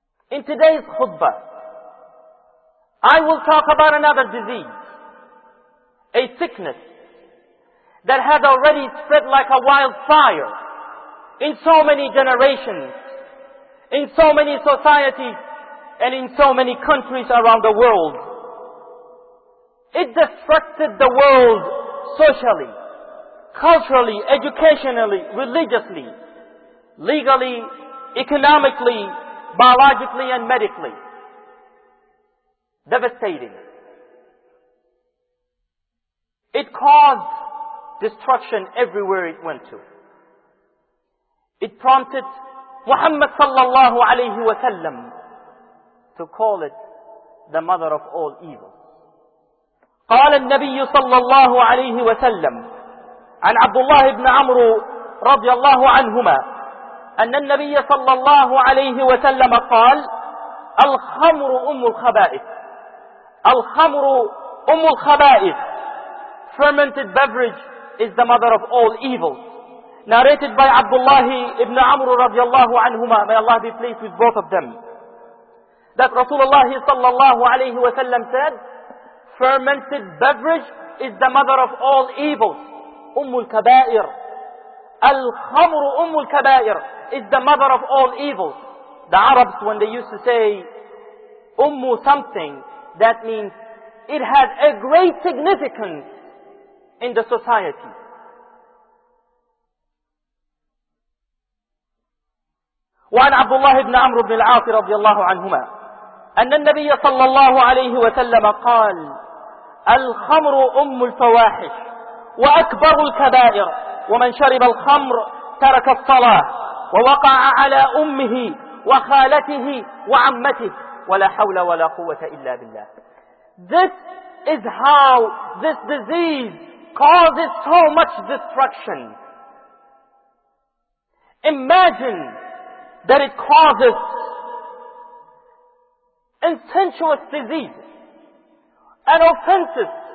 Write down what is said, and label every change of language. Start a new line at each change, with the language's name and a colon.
English: In today's khutbah I will talk about another disease, a sickness that has already spread like a wildfire in so many generations, in so many societies, and in so many countries around the world. It destructed the world socially, culturally, educationally, religiously, legally, economically, biologically, and medically. Devastating. It caused destruction everywhere it went to. It prompted Muhammad sallallahu alayhi wa sallam to call it the mother of all evil.
Arabic: قال النبي صلى الله عليه وسلم عن عبد الله بن عمرو رضي الله عنهما أن النبي صلى الله عليه وسلم قال الخمر أم الخبائث. الخمر أم الخبائث.
English: Fermented beverage is the mother of all evils.
Arabic: Narrated by عبد الله بن عمرو رضي الله عنهما.
English: May Allah be pleased with both of them. That Rasulullah
Arabic: صلى الله عليه وسلم
English: said, fermented beverage is the mother of all evils. Ummul kabair.
Arabic: Al khamru ummul kabair
English: is the mother of all evils. The Arabs, when they used to say ummu something, that means it has a great significance in the society.
Arabic: وعن عبد الله بن عمرو بن العاص رضي الله عنهما أن النبي صلى الله عليه وسلم قال الخمر أم الفواحش وأكبر الكبائر ومن شرب الخمر ترك الصلاة ووقع على أمه وخالته وعمته ولا حول ولا قوة إلا بالله.
English: This is how this disease causes so much destruction. Imagine that it causes incestuous disease and offenses.